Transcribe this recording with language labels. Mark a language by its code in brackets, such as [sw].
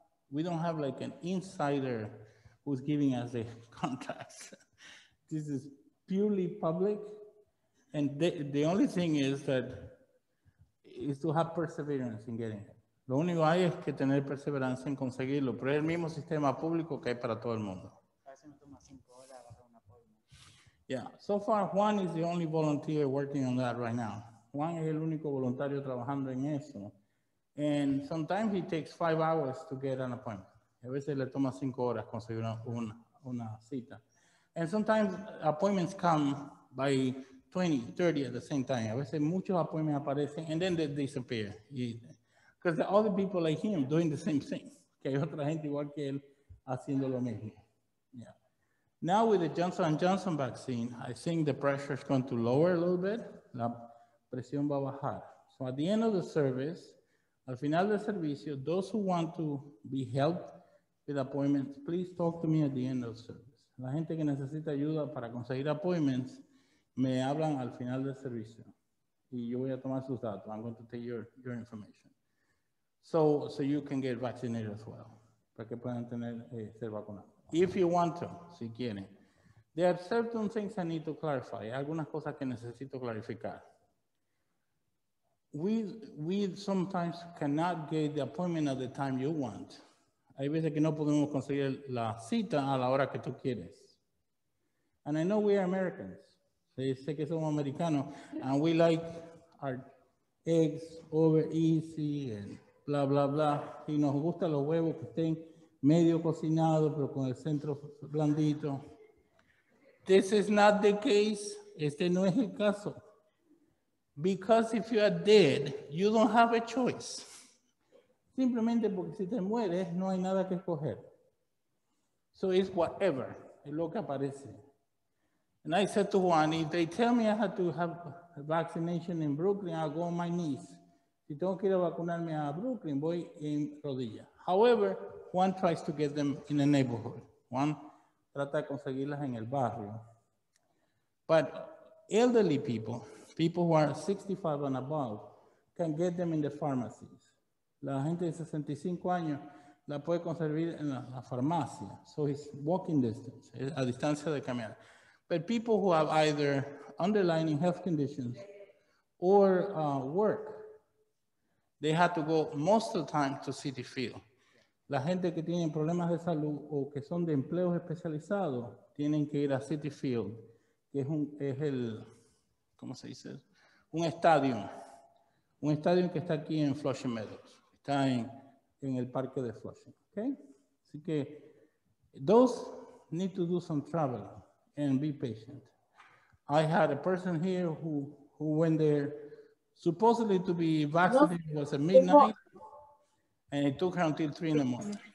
[en] We don't have like an insider who's giving us the contracts. This is purely public. And the only thing is to have perseverance in getting it. [es] Lo único hay es que tener perseverancia en conseguirlo. Pero es el mismo sistema público que hay para todo el mundo. [en] Yeah, so far Juan is the only volunteer working on that right now. [es] Juan es el único voluntario trabajando en eso. [en] And sometimes he takes 5 hours to get an appointment. [es] A veces le toma 5 horas conseguir una cita. [en] And sometimes appointments come by 20, 30 at the same time. [es] A veces muchos appointments aparecen [en] and then they disappear. Because there are other people like him doing the same thing. [es] Que hay otra gente igual que él haciendo lo mismo. [en] Yeah. Now with the Johnson & Johnson vaccine, I think the pressure is going to lower a little bit. [es] La presión va a bajar. [en] So at the end of the service, [es] al final del servicio, [en] those who want to be helped with appointments, please talk to me at the end of service. [es] La gente que necesita ayuda para conseguir appointments, me hablan al final del servicio. Y yo voy a tomar sus datos. [en] I'm going to take your information. So you can get vaccinated as well. [es] Para que puedan tener ser vacunados. [en] If you want to, [es] si quieren. [en] There are certain things I need to clarify. [es] Hay algunas cosas que necesito clarificar. [en] We sometimes cannot get the appointment at the time you want. [es] Hay veces que no podemos conseguir la cita a la hora que tú quieres. [en] And I know we are Americans. [es] Sé que somos americanos. [en] And we like our eggs over easy and blah, blah, blah. [es] Y nos gustan los huevos que estén medio cocinado, pero con el centro blandito. [en] This is not the case. [es] Este no es el caso. [en] Because if you are dead, you don't have a choice. [es] Simplemente porque si te mueres, no hay nada que escoger. [en] So it's whatever. [es] Es lo que aparece. [en] And I said to Juan, if they tell me I had to have a vaccination in Brooklyn, I'll go on my knees. [es] Si tengo que ir a vacunarme a Brooklyn, voy en rodilla. [en] However, Juan tries to get them in a neighborhood. [es] Juan trata de conseguirlas en el barrio. [en] But elderly people, People who are 65 and above can get them in the pharmacies. [es] La gente de 65 años la puede conseguir en la farmacia. [en] So it's walking distance, [es] a distancia de caminar. [en] But people who have either underlying health conditions or work, they have to go most of the time to City Field. [es] La gente que tiene problemas de salud o que son de empleos especializados tienen que ir a City Field, que es un estadio que está aquí en Flushing Meadows, está en el parque de Flushing, okay? Así que [en] those need to do some travel and be patient. I had a person here who went there supposedly to be vaccinated. No, was at midnight. And it took her until 3 in the morning.